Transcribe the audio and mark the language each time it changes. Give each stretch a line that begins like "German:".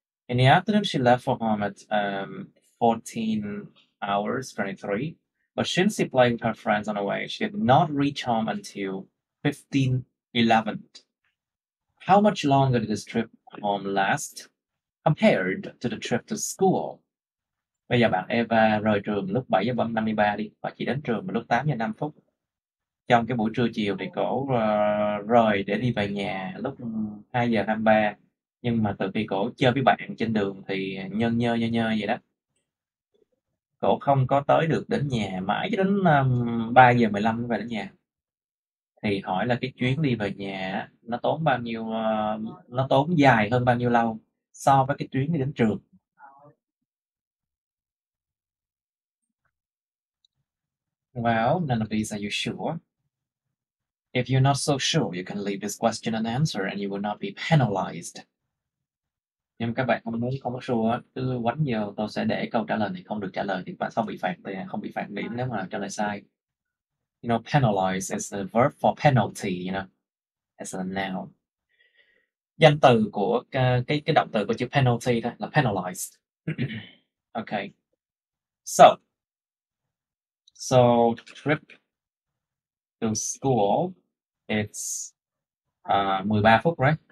English: In the afternoon, she left for home at 14:23. But since she played with her friends on the way, she did not reach home until 15:11. How much longer did this trip home last compared to the trip to school?
Vietnamese: Bây giờ bạn Eva rời trường lúc 7:53 đi và chỉ đến trường lúc 8:05. Trong cái buổi trưa chiều thì cổ rời để đi về nhà lúc 2:23, nhưng mà từ khi cổ chơi với bạn trên đường thì nhơ nhơ vậy đó, cổ không có tới được đến nhà mãi cho đến 3:15 mới về đến nhà. Thì hỏi là cái chuyến đi về nhà nó tốn bao nhiêu, nó tốn dài hơn bao nhiêu lâu so với cái chuyến đi đến trường.
English: Well, none of these, are you sure? If you're not so sure, you can leave this question unanswered and you will not be penalized.
Vietnamese: Nhưng các bạn không muốn, không có sure, cứ quánh giờ tôi sẽ để câu trả lời này không được trả lời thì bạn sẽ bị phạt tiền, không bị phạt điểm nếu mà trả lời sai.
English: You know, penalize is the verb for penalty, you know, as a noun.
Vietnamese: Danh từ của cái động từ của chữ penalty đó là penalized.
English: Okay. So trip to school, it's 13 phút, right?